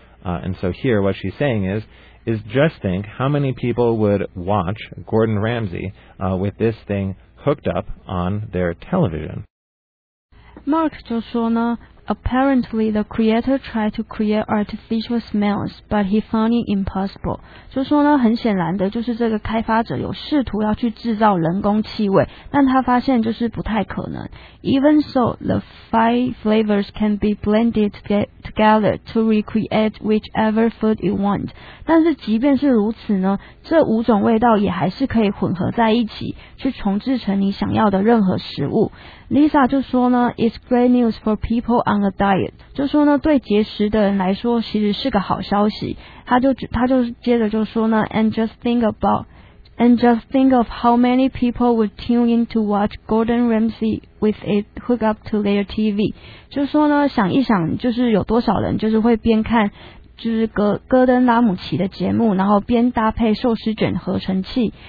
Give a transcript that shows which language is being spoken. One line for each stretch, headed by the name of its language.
English: And so here what she's saying is just think how many people would watch Gordon Ramsay with this thing hooked up on their television. Mark
Chinese: 就说呢
English: ,apparently the creator tried to create artificial smells, but he found it impossible.
Chinese: 就说呢很显然的就是这个开发者有试图要去制造人工气味，但他发现就是不太可能。
English: Even so, the five flavors can be blended together to recreate whichever food you want.
Chinese: 但是即便是如此呢，这五种味道也还是可以混合在一起，去重制成你想要的任何食物。
English: Lisa
Chinese: 就说呢
English: ,It's great news for people on a diet.
Chinese: 就说呢对节食的人来说其实是个好消息。他就接着就说呢
English: ,and just think of how many people would tune in to watch Gordon Ramsay with it hook up to their TV.
Chinese: 就说呢想一想就是有多少人就是会边看就是戈登拉姆奇的节目，然后边搭配寿司卷合成器。